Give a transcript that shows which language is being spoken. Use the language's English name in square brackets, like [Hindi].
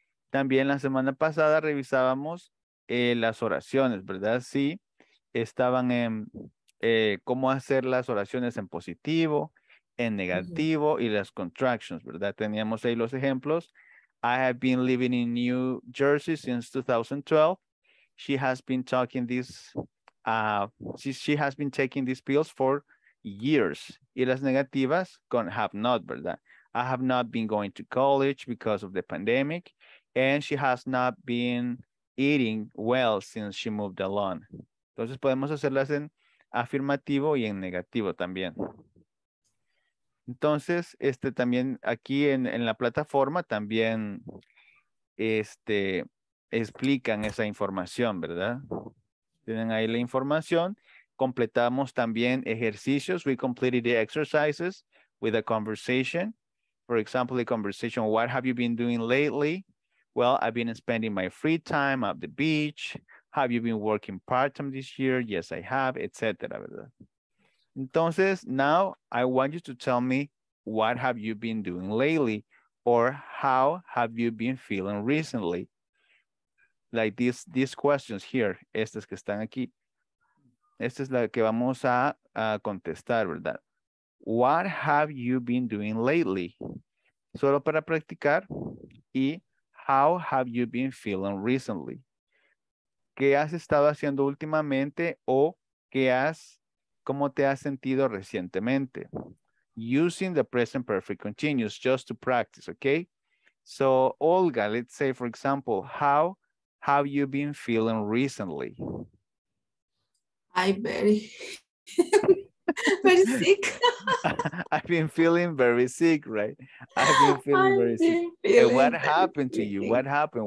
[Spanish] También la semana pasada revisábamos las oraciones, ¿verdad? Sí, estaban en cómo hacer las oraciones en positivo, en negativo y las contractions, ¿verdad? Teníamos ahí los ejemplos. [English] I have been living in New Jersey since 2012. She has been talking this, she has been taking these pills for years. [Spanish] Y las negativas con have not, ¿verdad? [English] I have not been going to college because of the pandemic. And she has not been eating well since she moved alone. [Spanish] Entonces podemos hacerlas en afirmativo y en negativo también. Entonces, también aquí en la plataforma también explican esa información, ¿verdad? Tienen ahí la información. Completamos también ejercicios. [English] We completed the exercises with a conversation. For example, the conversation, what have you been doing lately? Well, I've been spending my free time at the beach. Have you been working part-time this year? Yes, I have, etc. Entonces, now I want you to tell me what have you been doing lately or how have you been feeling recently? Like these questions here, [Spanish] estas que están aquí. Esta es la que vamos a contestar, ¿verdad? [English] What have you been doing lately? [Spanish] Solo para practicar. Y [English] how have you been feeling recently? [Spanish] ¿Qué has estado haciendo últimamente o cómo te has sentido recientemente? [English] Using the present perfect continuous just to practice, okay? So, Olga, let's say, for example, how have you been feeling recently? I'm very sick. I've been feeling very sick, right? And what happened to you? What happened?